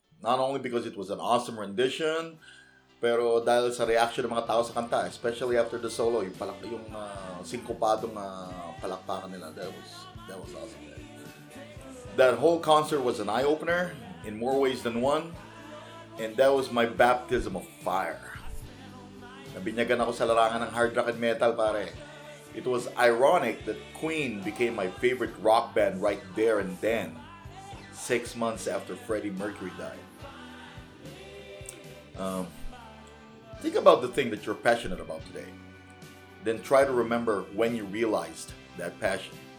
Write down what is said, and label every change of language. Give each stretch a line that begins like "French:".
English: Not only because it was an awesome rendition,
Filipino: pero dahil sa reaction ng mga tao sa kanta,
English: especially after the solo,
Filipino: yung sinkopadong palakpakan nila,
English: that was awesome. That whole concert was an eye-opener in more ways than one, and that was my baptism of fire.
Filipino: Nabinyagan ako sa larangan ng hard rock and metal, pare.
English: It was ironic that Queen became my favorite rock band right there and then, 6 months after Freddie Mercury died. Think about the thing that you're passionate about today. Then try to remember when you realized that passion.